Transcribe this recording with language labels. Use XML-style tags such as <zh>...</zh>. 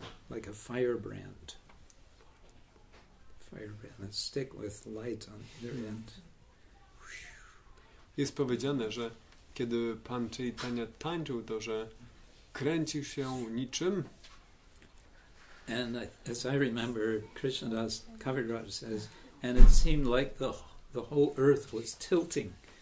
<en>Like a firebrand. Firebrand, a stick with light on either end.</en> <pl>Jest powiedziane, że kiedy pan Chaitanya tańczył, to że kręcił się niczym</pl> <en>And as I remember, Krishnadas Kaviraj says, and it seemed like the whole earth was tilting.</en>